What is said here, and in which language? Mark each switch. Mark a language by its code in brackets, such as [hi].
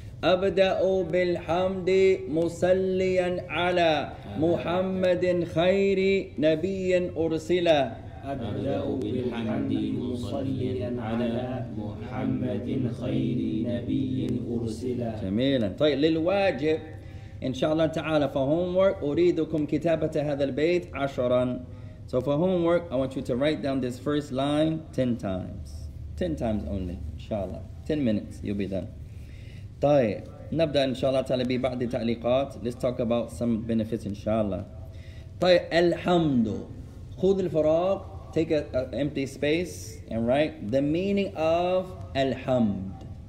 [ar] أبدأ بالحمد مسليا على محمد خير نبي أرسل. أبدأ بالحمد مصليا على محمد خير نبي أرسل. جميلا. طيب للواجب إن شاء الله تعالى for homework أريدكم كتابة هذا البيت عشرا. [en] So for homework, I want you to write down this first line 10 times. 10 times only, inshallah. 10 minutes, you'll be done. [ar] طيب, نبدأ inshallah تعالى ببعض التعليقات. [en] Let's talk about some benefits inshallah. طيب, الحمد. خذ الفراغ, take an empty space and write the meaning of الحمد.